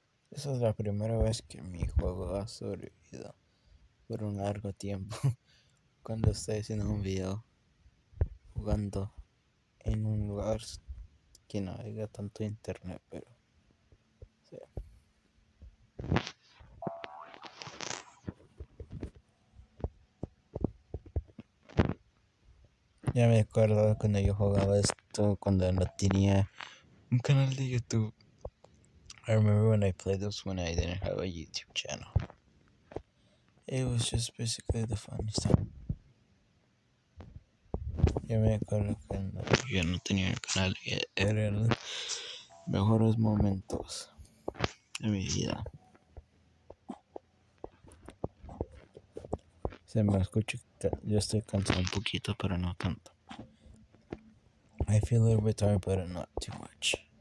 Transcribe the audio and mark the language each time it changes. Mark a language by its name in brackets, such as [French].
[Spanish] Esa es la primera vez que mi juego ha sobrevivido por un largo tiempo cuando estoy haciendo un video jugando en un lugar que no haya tanto internet, pero... Sí. Ya me acuerdo cuando yo jugaba esto, cuando no tenía un canal de YouTube. [English] I remember when I played this when I didn't have a YouTube channel. It was just basically the fun stuff. [Spanish] Yo me acuerdo cuando yo no tenía el canal y eran los mejores momentos de mi vida. Se me escucha, yo estoy cansado un poquito, pero no tanto. [English] I feel a little bit tired, but not too much.